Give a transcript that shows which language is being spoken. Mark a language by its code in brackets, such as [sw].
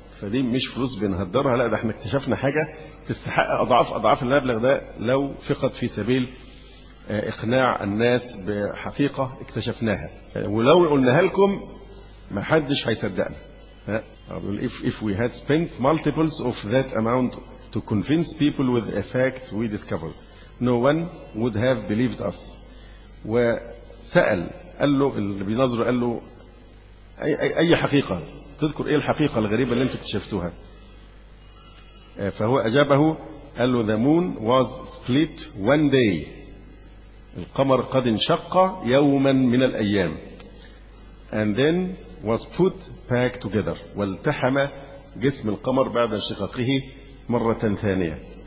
[ar] فدي مش فلوس بنهدرها، لا ده احنا اكتشفنا حاجة تستحق أضعاف المبلغ ده لو فقط في سبيل إقناع الناس بحقيقة اكتشفناها. ولو قلناها لكم ما حدش هيصدقنا. [en] If we had spent multiples of that amount to convince people with a fact we discovered, no one would have believed us. [ar] وسأل قال له اللي بينظره قال له أي حقيقة تذكر، إيه الحقيقة الغريبة اللي انت اكتشفتوها؟ فهو أجابه قال له [en] the moon was split one day، [ar] القمر قد انشق يوما من الأيام، [en] and then was put back together، [ar] والتحم جسم القمر بعد انشقاقه مرة ثانية.